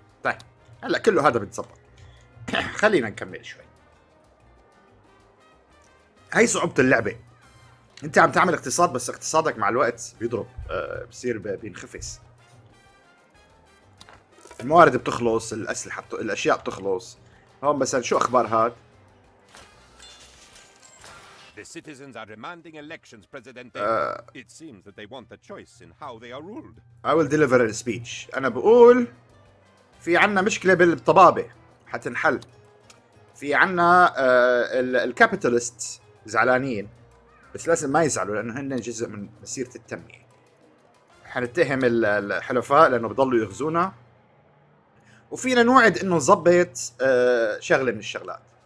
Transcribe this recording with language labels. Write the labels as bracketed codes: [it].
[ar] طيب هلا كله هذا بيتظبط. خلينا نكمل شوي. هاي صعوبة اللعبة، انت عم تعمل اقتصاد بس اقتصادك مع الوقت بيضرب، بصير بينخفس، الموارد بتخلص، الأسلحة الأشياء بتخلص. هون مثلا شو أخبار هاد؟ [en] The citizens are demanding elections, President. It seems that they want a choice in how they are ruled. I will deliver a speech. [ar] أنا بقول في عنا مشكلة بالطبابة حتنحل. في عنا الكابيتالست زعلانين بس لازم ما يزعلوا لأنه هن جزء من مسيرة التنمية. حنتهم الحلفاء لأنه بضلوا يغزونا. وفينا نوعد إنه نظبط شغلة من الشغلات.